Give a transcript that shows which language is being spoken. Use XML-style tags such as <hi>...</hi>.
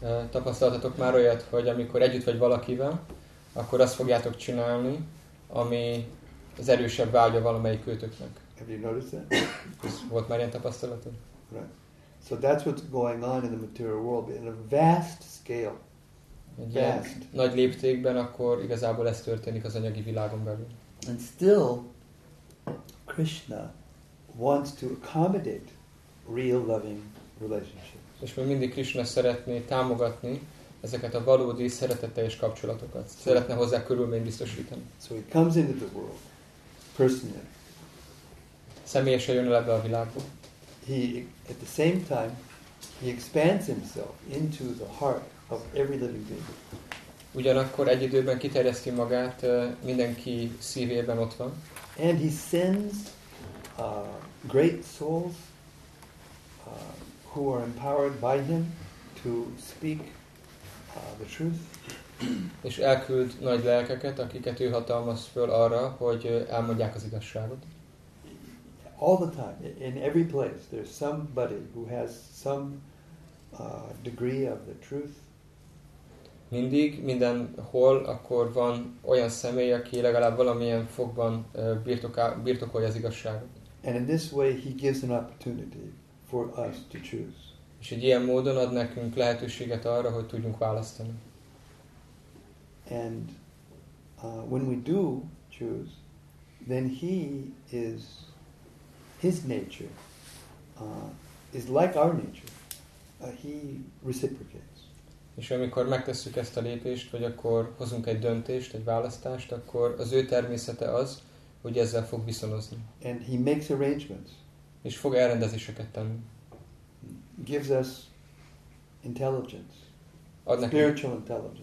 <hu>Tapasztaltatok már olyat, hogy amikor együtt vagy valakivel, akkor azt fogjátok csinálni, ami az erősebb vágya valamelyik őtöknek.</hu> <en>Have you noticed that?</en> <hu>Volt már ilyen tapasztalatod?</hu> <en>Right. So that's what's going on in the material world, in a vast scale. Vast.</en> <hu>Nagy léptékben akkor igazából ez történik az anyagi világon belül.</hu> <en>And still, Krishna wants to accommodate real loving relationships.</en> <hu>És még mindig Krishna szeretné támogatni ezeket a valódi szeretetteljes kapcsolatokat. Szeretne hozzá körülményt biztosítani.</hu> <en>So he comes into the world. Personally.</en> <hu>Személyesen jön el ebbe a világba.</hu> <en>He, at the same time, he expands himself into the heart of every living being.</en> <hu>Ugyanakkor egy időben kiterjeszti magát, mindenki szívében ott van.</hu> <en>And he sends great souls who are empowered by him to speak the truth.</en> <hu>És elküld nagy lelkeket, akiket ő hatalmaz föl arra, hogy elmondják az igazságot.</hu> <en>All the time, in every place, there's somebody who has some degree of the truth.</en> <hu>Mindig, mindenhol, akkor van olyan személy, aki legalább valamilyen fogban birtokolja az igazságot.</hu> <en>And in this way, he gives an opportunity for us to choose.</en> <hu>És egy ilyen módon ad nekünk lehetőséget arra, hogy tudjunk választani.</hu> <en>And when we do choose, then he is, his nature is like our nature. He reciprocates.</en> <hu>És amikor megtesszük ezt a lépést, vagy akkor hozunk egy döntést, egy választást, akkor az ő természete az, hogy ezzel fog viszonozni.</hu> <en>And he makes arrangements.</en> <hu>És fog elrendezéseket tenni.</hu> <en>Gives us intelligence. Spiritual intelligence.</en>